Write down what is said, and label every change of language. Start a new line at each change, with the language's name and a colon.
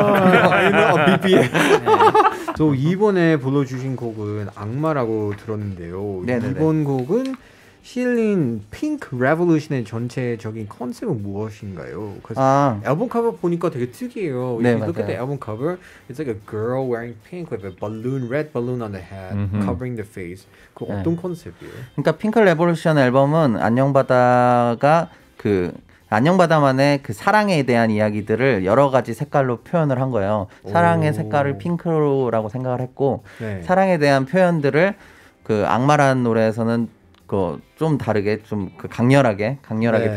English: I know BBS.
Korean: 또 이번에 불러주신 곡은 악마라고 들었는데요. 네네네. 이번 곡은 실린 핑크 레볼루션의 전체적인 컨셉은 무엇인가요? 앨범 커버 보니까 되게 특이해요. 네,
English: look at the album cover. It's like a girl wearing pink with a balloon, red balloon on the head, covering the face.
Korean: 그 어떤 네. 컨셉이에요? 그러니까 핑크 레볼루션 앨범은 안녕바다가 그 안녕바다만의 그 사랑에 대한 이야기들을 여러 가지 색깔로 표현을 한 거예요. 사랑의 색깔을 핑크로라고 생각을 했고 네. 사랑에 대한 표현들을 그 악마라는 노래에서는 좀 다르게 좀 그 강렬하게 네.